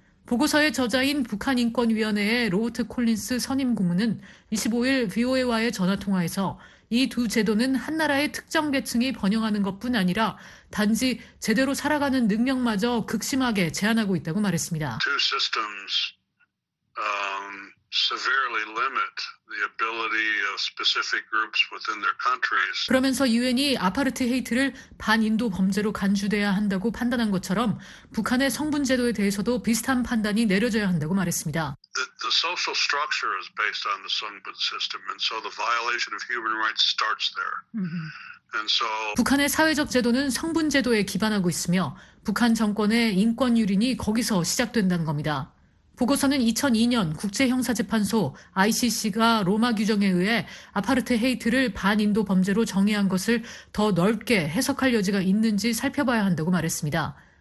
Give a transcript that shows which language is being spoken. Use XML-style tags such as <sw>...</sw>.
<ko>보고서의 저자인 북한인권위원회의 로버트 콜린스 선임 고문은 25일 VOA와의 전화통화에서 이 두 제도는 한 나라의 특정 계층이 번영하는 것뿐 아니라 단지 제대로 살아가는 능력마저 극심하게 제한하고 있다고 말했습니다.</ko> <en>Two systems. Severely limit the ability of specific groups within their countries.</en> <ko>그러면서 유엔이 아파르트헤이트를 반인도 범죄로 간주돼야 한다고 판단한 것처럼 북한의 성분 제도에 대해서도 비슷한 판단이 내려져야 한다고 말했습니다.</ko> <en>The social structure is based on the Sungbun system, and so the violation of human rights starts there. And so</en> <ko>북한의 사회적 제도는 성분 제도에 기반하고 있으며 북한 정권의 인권 유린이 거기서 시작된다는 겁니다. 보고서는 2002년 국제형사재판소 ICC가 로마 규정에 의해 아파르트헤이트를 반인도 범죄로 정의한 것을 더 넓게 해석할 여지가 있는지 살펴봐야 한다고 말했습니다.</ko>